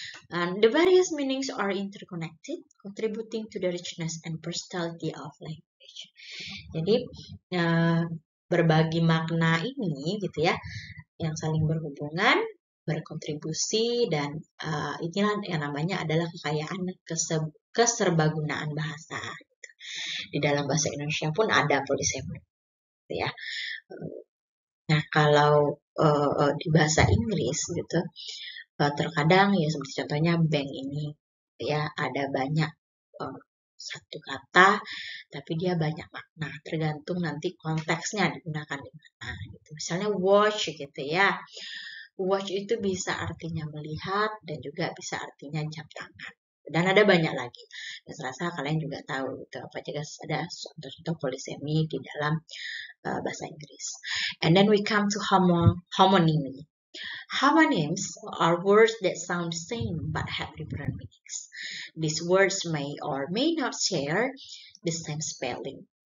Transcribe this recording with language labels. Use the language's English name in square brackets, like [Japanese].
[English] And the various meanings are interconnected, contributing to the richness and versatility of language. [Indonesian] Jadi berbagi makna ini gitu ya, yang saling berhubungan, berkontribusi, dan inilah yang namanya adalah kekayaan keserbagunaan bahasa. Gitu. Di dalam bahasa Indonesia pun ada polisemi, gitu ya. Nah, kalau di bahasa Inggris gitu, terkadang ya seperti contohnya bank ini ya ada banyak satu kata tapi dia banyak makna tergantung nanti konteksnya digunakan di mana gitu. Misalnya watch gitu ya. Watch itu bisa artinya melihat dan juga bisa artinya jam tangan. Dan ada banyak lagi. Dan serasa kalian juga tahu gitu, apa juga ada contoh-contoh polisemi di dalam bahasa Inggris. [English] And then we come to homonymy. Homonyms are words that sound the same but have different meanings. These words may or may not share the same spelling.